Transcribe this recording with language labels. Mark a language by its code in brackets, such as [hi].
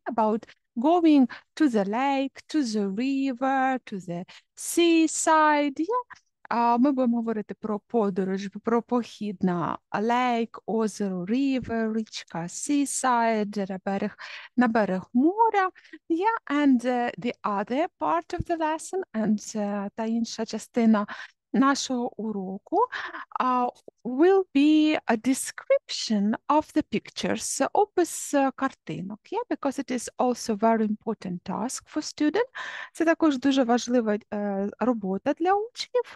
[en] About going to the lake, to the river, to the seaside. Yeah? [uk] Ми будемо говорити про подорож, про похід на лейк, озеро, рівер, річка, сісайд, на берег моря. [en] Yeah, and the other part of the lesson, and [uk] та інша частина нашого уроку [en] will be a description of the pictures, [uk] опис картинок. [en] Yeah, because it is also very important task for student. [uk] Це також дуже важлива робота для учнів.